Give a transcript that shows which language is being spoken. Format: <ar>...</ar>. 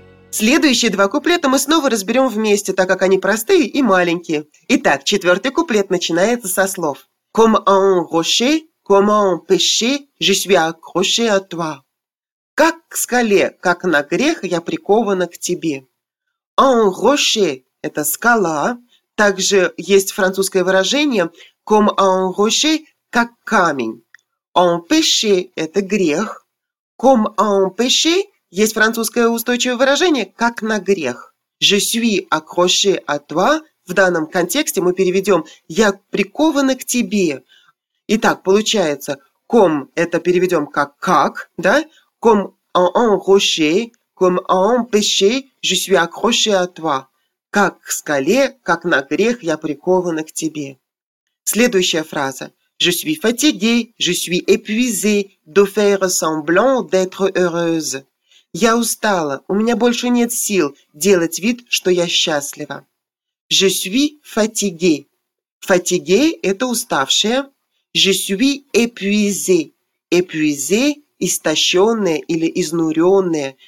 <ru>Следующие два куплета мы снова разберем вместе, так как они простые и маленькие. Итак, четвертый куплет начинается со слов.</ru> <fr>«Comme un rocher, comme un péché, je suis accroché à toi».</fr> <ru>«Как к скале, как на грех, я прикована к тебе».</ru> <fr>«Un rocher»</fr> <ru>– это скала. Также есть французское выражение</ru> <fr>«comme un rocher»</fr> <ru>– «как камень».</ru> <fr>«Un péché»</fr> <ru>– это грех.</ru> <fr>«Comme un péché»</fr> <ru>– есть французское устойчивое выражение «как на грех».</ru> <fr>«Je suis accroché à toi»</fr> <ru>в данном контексте мы переведем «я прикована к тебе». Итак, получается «ком» – это переведем как, да?</ru> <fr>«Comme un rocher, comme un péché, je suis accroché à toi».</fr> <ru>«Как к скале, как на грех, я прикована к тебе». Следующая фраза.</ru> <fr>«Je suis fatiguée, je suis épuisée de faire semblant d'être heureuse».</fr> <ru>«Я устала, у меня больше нет сил делать вид, что я счастлива».</ru> <fr>«Je suis fatigué».</fr> <ru>«Fatigué» – это уставшая.</ru> <fr>«Je suis épuisé».</fr> <ru>«Épuisé» – истощенная или изнуренная.</ru>